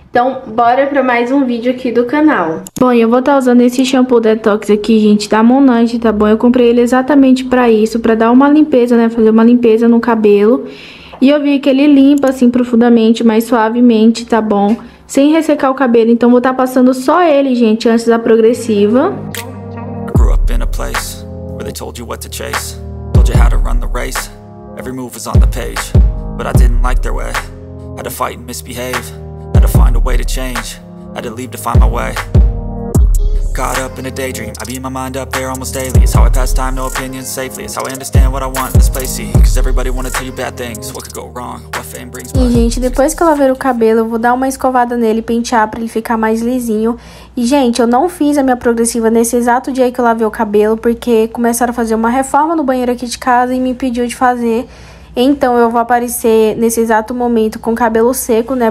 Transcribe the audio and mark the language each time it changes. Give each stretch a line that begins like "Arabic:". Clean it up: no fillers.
Portuguese: Então, bora pra mais um vídeo aqui do canal. Bom, eu vou estar usando esse shampoo detox aqui, gente, da Monange, tá bom? Eu comprei ele exatamente pra isso, pra dar uma limpeza, né? Fazer uma limpeza no cabelo. E eu vi que ele limpa, assim, profundamente, mais suavemente, tá bom? Sem ressecar o cabelo. Então, vou estar passando só ele, gente, antes da progressiva.
English: In a place where they told you what to chase, told you how to run the race, every move was on the page, but I didn't like their way, had to fight and misbehave, had to find a way to change, had to leave to find my way. Caught up in a daydream, I beat my mind up there almost daily. It's how I pass time, no opinions safely. It's how I understand what I want in this place. See, 'cause everybody wanna tell you bad things. What could go wrong? What fame brings?
Portuguese: E, gente, depois que eu lavei o cabelo, eu vou dar uma escovada nele, pentear pra ele ficar mais lisinho. E, gente, eu não fiz a minha progressiva nesse exato dia que eu lavei o cabelo, porque começaram a fazer uma reforma no banheiro aqui de casa e me pediu de fazer. Então, eu vou aparecer nesse exato momento com o cabelo seco, né?